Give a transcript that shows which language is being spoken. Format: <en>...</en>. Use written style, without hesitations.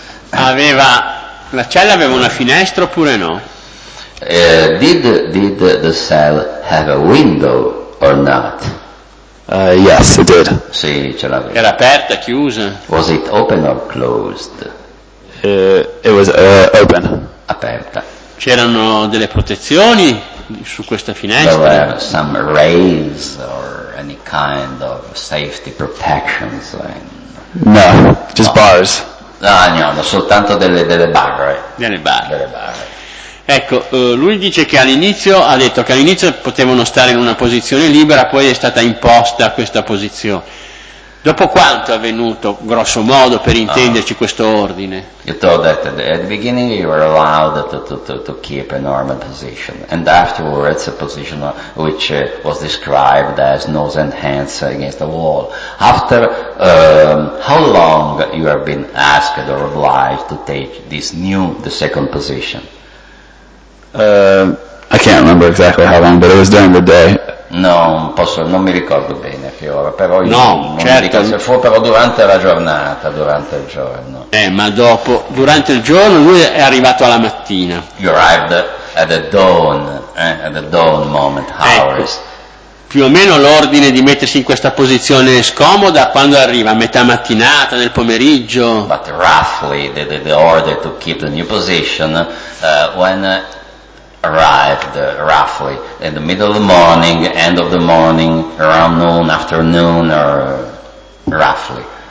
<it>Aveva la cella aveva una finestra oppure no?</it> <en>Did the cell have a window or not? Yes, it did.</en> <it>Sì, ce l'avevo. Era aperta, chiusa?</it> <en>Was it open or closed? It was open.</en> <it>Aperta. C'erano delle protezioni su questa finestra?</it> <en>There were some rays or any kind of safety protections. No, just no. Bars.</en> <it>No, soltanto delle barre. Delle barre. Delle barre. Ecco, lui dice che all'inizio, ha detto che all'inizio potevano stare in una posizione libera, poi è stata imposta questa posizione. Dopo quanto è avvenuto, grosso modo, per intenderci, questo ordine?</it> <en>You thought that at the beginning you were allowed to keep a normal position, and afterwards a position which was described as nose and hands against the wall. After how long you have been asked or obliged to take this new, the second position? I can't remember exactly how long, but it was during the day.</en> <it>Non mi ricordo bene che ora, però io fu però durante la giornata, durante il giorno. Ma dopo, durante il giorno, lui è arrivato alla mattina.</it> <en>You arrived at the dawn, at the dawn moment, hours.</en> <it>Più o meno l'ordine di mettersi in questa posizione scomoda quando arriva, a metà mattinata, nel pomeriggio.</it> <en>But roughly, the order to keep the new position, when arrived roughly in the middle of the morning, end of the morning, around noon, afternoon, or roughly.</en>